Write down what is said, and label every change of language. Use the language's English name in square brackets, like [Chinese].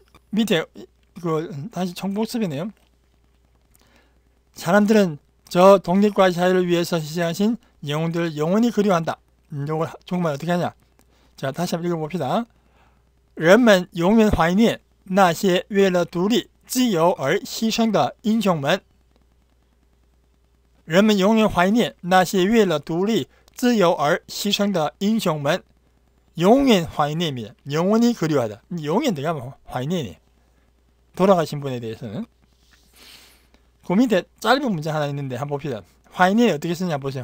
[Korean] 밑에 그 다시 청복습이네요. 사람들은 저 독립과 자유를 위해서 희생하신 영웅들을 영원히 그리워한다. 이걸 정말 어떻게 하냐? 자, 다시 한번 읽어봅시다. [Chinese] 人们 영원 怀念 那些 为了独立自由而牺牲的英雄们 人们 영원 怀念 那些 为了独立自由而牺牲的英雄们 영원 怀念입니다. [Korean] 영원히 그리워하다. 영원 되게 하면 怀念이 돌아가신 분에 대해서는. 그 밑에 짧은 문제 하나 있는데 한번 봅시다. 怀念 어떻게 쓰냐 보세요.